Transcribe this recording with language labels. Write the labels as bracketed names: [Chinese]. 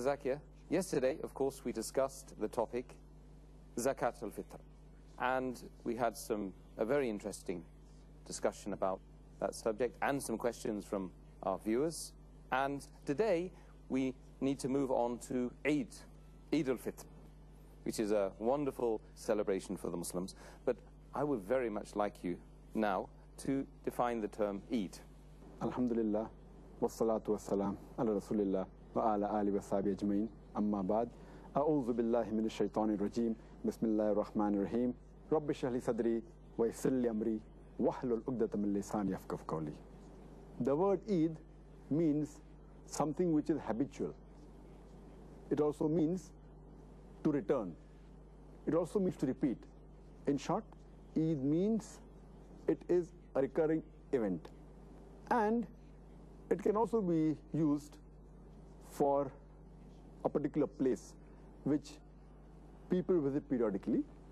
[English] Zakia, yesterday, of course, we discussed the topic Zakat al-Fitr, and we had a very interesting discussion about that subject and some questions from our viewers. And today, we need to move on to Eid al-Fitr, which is a wonderful celebration for the Muslims. But I would very much like you now to define the term Eid. [Arabic] Alhamdulillah, wa salatu wa salam ala Rasulillah. وعلى آله وصحبه أجمعين أما بعد أعوذ بالله من الشيطان الرجيم بسم الله الرحمن الرحيم رب اشرح لي صدري ويسر لي أمري واحلل عقدة من لساني يفقهوا قولي. [English] The word Eid means something which is habitual. It also means to return. It also means to repeat. In short, Eid means it is a recurring event. And it can also be used for a particular place which people visit periodically.